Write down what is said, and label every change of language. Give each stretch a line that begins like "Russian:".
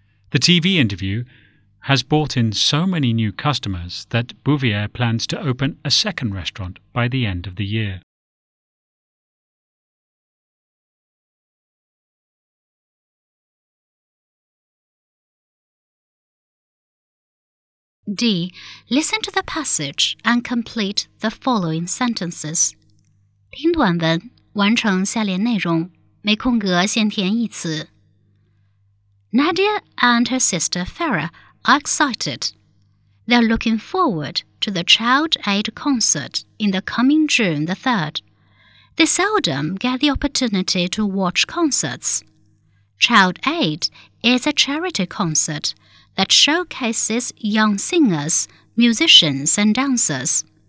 English: The TV interview has brought in so many new customers that Bouvier plans to open a second restaurant by the end of the year. D. Listen to the passage and complete the following sentences.
Chinese: 听短文，完成下列内容，没空格先填一词。
English: Nadia and her sister Farah are excited. They're looking forward to the Child Aid concert in the coming June the 3rd. They seldom get the opportunity to watch concerts. Child Aid is a charity concert that showcases young singers, musicians, and dancers.